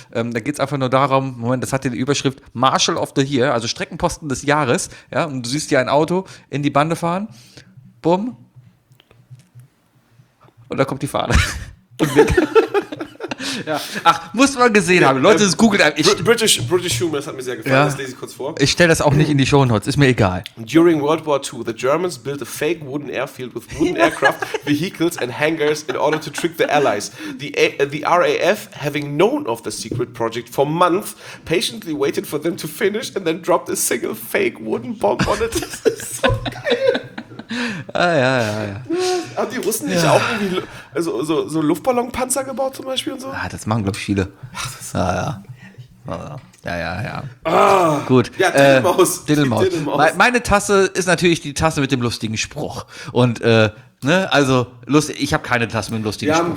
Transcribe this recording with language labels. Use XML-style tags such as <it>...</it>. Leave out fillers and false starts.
<de>Da geht es einfach nur darum, Moment, das hat die Überschrift</de> <en>Marshal of the Year,</en> <de>also Streckenposten des Jahres, ja, und du siehst hier ein Auto in die Bande fahren. Bumm. Und da kommt die Fahne. Ja. Ach, muss man gesehen haben. Leute, das googelt einem. British Humor, das hat mir sehr gefallen. Ja. Das lese ich kurz vor. Ich stelle das auch nicht in die Shownotes, ist mir egal.</de> <en>During World War II, the Germans built a fake wooden airfield with wooden aircraft, vehicles and hangars in order to trick the Allies. The RAF, having known of the secret project for months, patiently waited for them to finish and then dropped a single fake wooden bomb on it.</en> <de>Das ist so geil. Ah, ja. Haben die Russen nicht auch irgendwie so Luftballonpanzer gebaut zum Beispiel und so? Ah, das machen, glaube ich, viele. Ach, das ist ja. Ja. Ah, gut. Ja, Diddlemaus. Meine Tasse ist natürlich die Tasse mit dem lustigen Spruch. Und, ne, also, lustig, ich habe keine Tasse mit dem lustigen Spruch.</de>